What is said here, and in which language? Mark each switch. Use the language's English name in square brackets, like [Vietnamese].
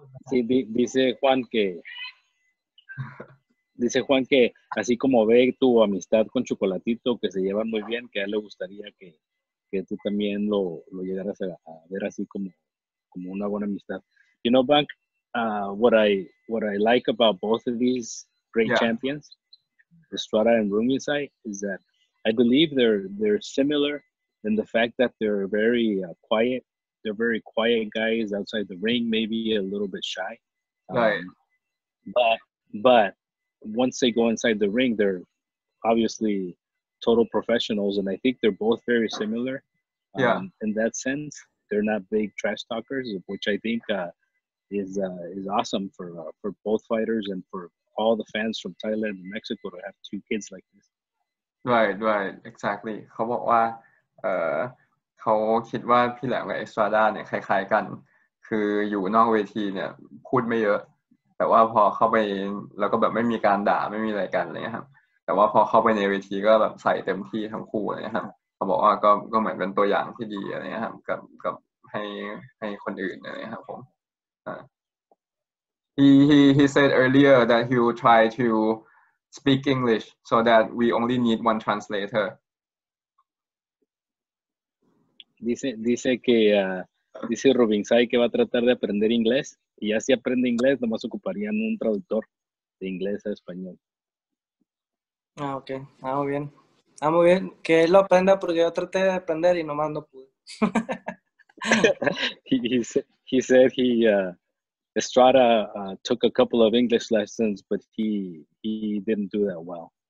[Spanish] Sí, dice Juan que así como ve tu amistad con Chocolatito, que se llevan muy bien, que a él le gustaría que tú también lo llegaras a ver así como una buena amistad. [English] You know, Bank, what I like about both of these great champions, Estrada and Rungvisai, is that I believe they're similar in the fact that they're very quiet. They're very quiet guys outside the ring, maybe a little bit shy. But once they go inside the ring, they're obviously total professionals, and I think they're both very similar in that sense. They're not big trash talkers, which I think is awesome for both fighters and for all the fans from Thailand and Mexico to have two kids like this. Right, exactly. [Thai] เขาบอกว่าเขาคิดว่าพี่แหลมกับเอสตราด้าเนี่ยคล้ายๆกันคืออยู่นอกเวทีเนี่ยพูดไม่เยอะแต่ว่าพอเข้าไปแล้วก็แบบไม่มีการด่าไม่มีอะไรกันอะไรเงี้ยครับแต่ว่าพอเข้าไปในเวทีก็แบบใส่เต็มที่ทั้งคู่อะไรเงี้ยครับเขาบอกว่าก็เหมือนเป็นตัวอย่างที่ดีอะไรเงี้ยครับกับให้คนอื่นอะไรเงี้ยครับผม [English] he said earlier that he will try to speak English so that we only need one translator [Spanish] dice Rungvisai que va a tratar de aprender inglés y ya si aprende inglés nomás ocuparían un traductor de inglés a español. Ah, okay. Ah, muy bien. Que él lo aprenda porque yo traté de aprender y nomás no pude. [English] he, he said he Estrada took a couple of English lessons, but he didn't do that well.